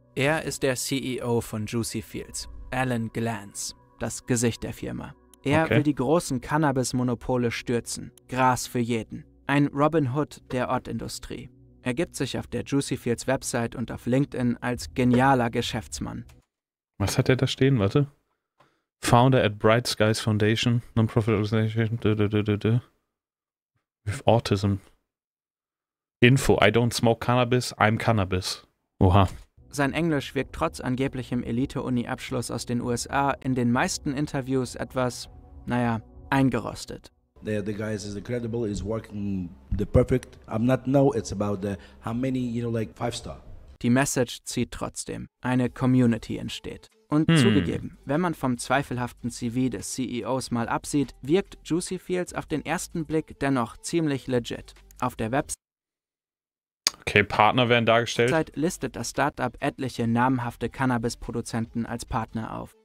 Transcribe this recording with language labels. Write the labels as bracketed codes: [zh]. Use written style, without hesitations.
[de] Er ist der CEO von Juicy Fields, Alan Glanz, das Gesicht der Firma. Er will die großen Cannabis-Monopole stürzen. Gras für jeden. Ein Robin Hood der Ortindustrie. Er gibt sich auf der Juicy Fields Website und auf LinkedIn als genialer Geschäftsmann. Was hat er da stehen? Warte. [en] Founder at Bright Skies Foundation, Non-Profit Organization, with Autism. Info, I don't smoke cannabis, I'm cannabis. [de] Oha. Sein Englisch wirkt trotz angeblichem Elite-Uni-Abschluss aus den USA in den meisten Interviews etwas, naja, eingerostet. [en] The guy is incredible, is working the perfect. I'm not know, it's about the how many, you know, like five star. [de] Die Message zieht trotzdem. Eine Community entsteht. Und zugegeben, wenn man vom zweifelhaften CV des CEOs mal absieht, wirkt Juicy Fields auf den ersten Blick dennoch ziemlich legit. Auf der Website. Okay, Partner werden dargestellt. Zeit listet das Startup etliche namhafte Cannabis-Produzenten als Partner auf.